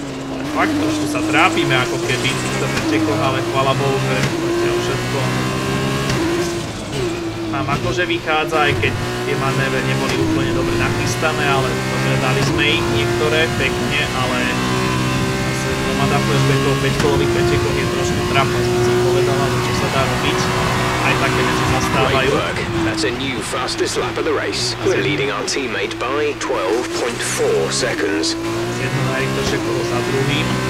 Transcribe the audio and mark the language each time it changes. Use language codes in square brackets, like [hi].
[sk] Ale fakt, trošku sa trápime ako keby za pretekov, ale chvala Bohu, že to všetko nám akože vychádza, aj keď tie manévre neboli úplne dobre nachystané, ale dobre, dali sme ich niektoré pekne, ale hromada flashbackov 5-kolových pretekov je trošku trápne, som si povedal, ale čo sa dá robiť. Aj také veci zastávajú. [en] That's a new fastest lap of the race. We're leading our teammate by 12.4 seconds. [sk] Jedno najrýchlejšie kolo za druhým.